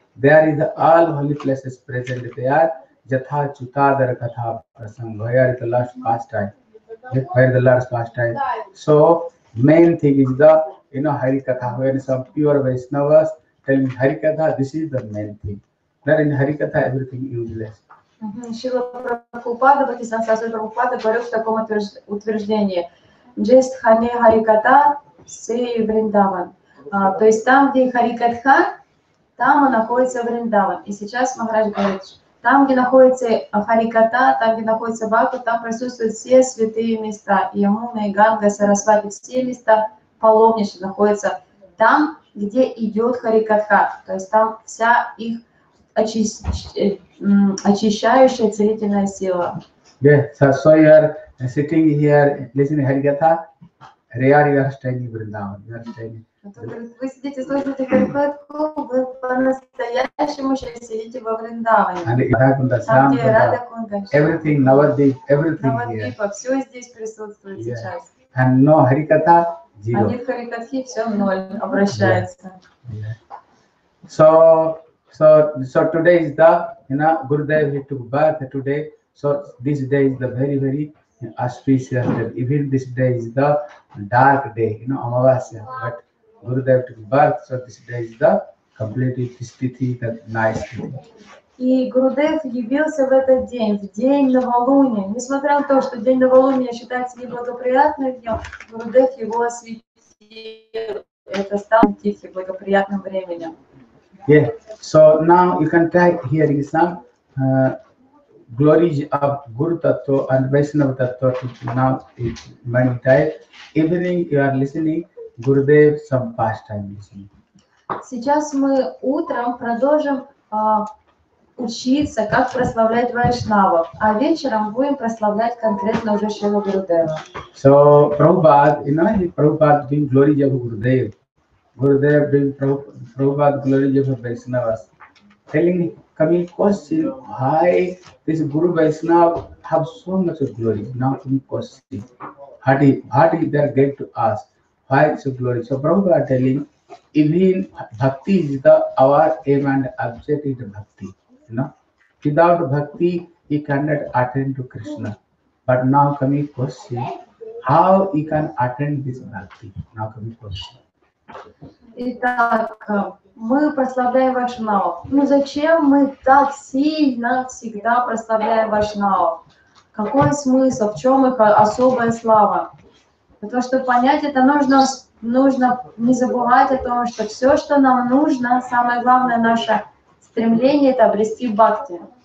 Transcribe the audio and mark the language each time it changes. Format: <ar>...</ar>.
<en>There is the all holy places present there,</en> <bn>Jatha Chupadar Katha Prasanga.</bn> <en>Where is the last pastime? Where is the last pastime? So main thing is the, you know, Hari Katha, when some pure Vaishnavas telling Harikatha, this is the main thing. Not in Harikatha, everything is useless.</en> <ru>Шрила Прабхупада, Бхактисиддханта Сарасвати Прабхупада, говорил в таком утверждении.</ru> <bn>Джестхане Харикатха Сей Вриндаван.</bn> <ru>То есть там, где Харикатха, там он находится Вриндаван. И сейчас Махарадж говорит, там, где находится Харикатха, там, где находится Бхакта, там присутствуют все святые места. Ямуна, Ганга, Сарасвати, все места паломничества находятся там, где идет Харикатха, то есть там вся их очищающая целительная сила.</ru> <en>Yeah, so you are sitting here listening Харикатха, rare you are staying in Vrindavan.</en> <ru>Вы сидите, слушаете Харикатху, вы по-настоящему сейчас сидите во Вриндаване. Там, где Радха Кунда,</ru> <en>everything,</en> <ru>Навадвип,</ru> <en>everything here.</en> <ru>Навадвипа, все здесь присутствует сейчас.</ru> <en>And no Харикатха,</en> <ru>zero. А нет Харикатхи, все в ноль, обращается.</ru> <en>Yeah. Yeah. So today is the, you know, Gurudev, he took birth today. So this day is the very, very auspicious day. Even this day is the dark day, you know, Amavasya. Wow. But Gurudev took birth, so this day is the completely tisthiti, the nice day.</en> <ru>И Гурудев явился в этот день, в день новолуния. Несмотря на то, что день новолуния считается неблагоприятным днем, Гурудев его осветил. Это стало тихим, благоприятным временем.</ru> <en>Yeah. So now you can try hearing some glories of Guru Tattva and Vaishnava Tattva. Now it's many times. Evening you are listening, Gurudev some past time listening.</en> <ru>Сейчас мы утром продолжим учиться, как прославлять вайшнавов, а вечером будем прославлять конкретно уже Шрилу Гурудева.</ru> <en>So, Prabhupada, you know, Prabhupada doing glory of Gurudev. Gurudev doing Prabhupada glory of Vaishnavas. Telling, coming question, why this Guru Vaishnav have so much of glory? Now coming question, what is there get to us? Why is so glory? So Prabhupada telling, even bhakti is the our aim and objective bhakti. You know, without bhakti, he cannot attain to Krishna. But now coming question, how you can attend this bhakti? Now coming question.</en> <ru>Итак, мы прославляем Вайшнава. Ну зачем мы так сильно всегда прославляем Вайшнава? Какой смысл? В чем их особая слава? Для того, чтобы понять это, нужно не забывать о том, что все, что нам нужно, самое главное наше стремление — это обрести бхакти.</ru>